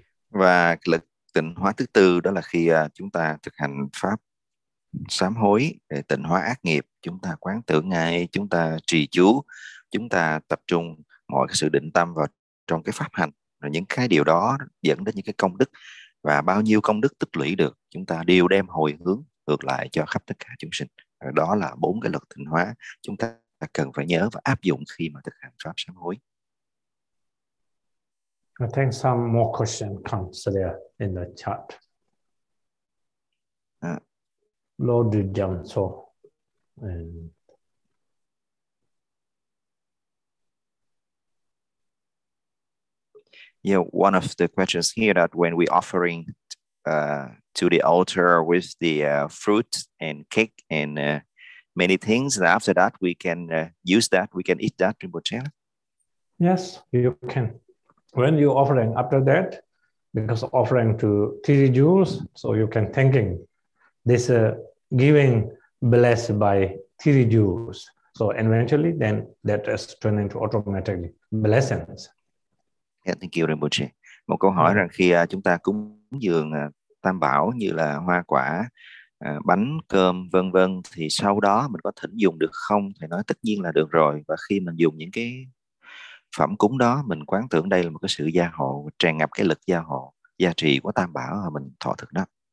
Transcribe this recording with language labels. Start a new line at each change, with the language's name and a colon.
Vietnamese: Và lực tịnh hóa thứ tư, đó là khi chúng ta thực hành pháp sám hối để tịnh hóa ác nghiệp, chúng ta quán tưởng Ngài, chúng ta trì chú, chúng ta tập trung mọi sự định tâm vào trong cái pháp hành, rồi những cái điều đó dẫn đến những cái công đức, và bao nhiêu công đức tích lũy được, chúng ta đều đem hồi hướng ngược lại cho khắp tất cả chúng sinh. Đó là bốn cái lực tịnh hóa chúng ta cần phải nhớ và áp dụng khi mà thực hành pháp sám hối.
English: I think some more question comes there in the chat. Lord Jam So. Yeah, one of the questions here that when we offering to the altar with the fruit and cake and many things, and after that we can use that, we can eat that, Rinpoche? Yes, you can. When you offering after that, because offering to three jewels, so you can thanking this giving blessed by three jewels. So eventually, then that is turned into automatically blessings. Yeah, thank you, Rinpoche.
Vietnamese: Một câu hỏi rằng khi chúng ta cúng dường tam bảo như là hoa quả, bánh, cơm, vân vân, thì sau đó mình có thỉnh dùng được không? Thầy nói tất nhiên là được rồi. Và khi mình dùng những cái phẩm cúng đó, mình quán tưởng đây là một cái sự gia hộ, tràn ngập cái lực gia hộ, gia trì của tam bảo mà mình thọ thực đó.